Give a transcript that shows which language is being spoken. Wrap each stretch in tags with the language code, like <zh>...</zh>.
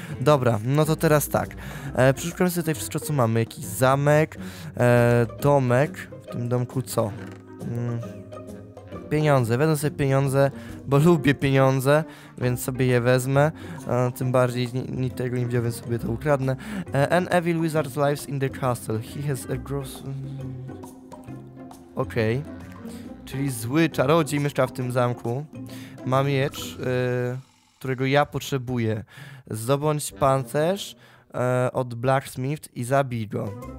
<pl>Dobra, no to teraz tak. Przeszukamy sobie tutaj wszystko, co mamy. Jakiś zamek, domek. W tym domku co? Pieniądze. Wezmę sobie pieniądze, bo lubię pieniądze, więc sobie je wezmę. Tym bardziej nikt tego nie widział, więc sobie to ukradnę.</pl> <en>An evil wizard lives in the castle. He has a gross...</en> <pl>Okej. Czyli zły czarodziej mieszka w tym zamku. Ma miecz, którego ja potrzebuję. Zdobądź pancerz od Blacksmith i zabij go.</pl>